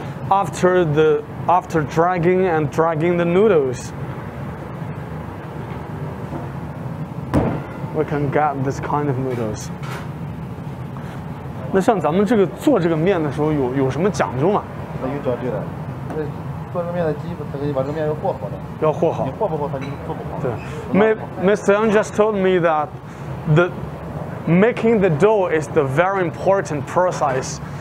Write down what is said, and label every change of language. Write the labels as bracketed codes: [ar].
[en] After dragging and dragging the noodles, we can get this kind of noodles. [zh] 那像咱们这个做这个面的时候有什么讲究吗？那有讲究的，那做这个面的基本它得把这个面要和好的。要和好。你和不和好，它就做不好。对。Mr. [en] Yang just told me that the making the dough is the very important process.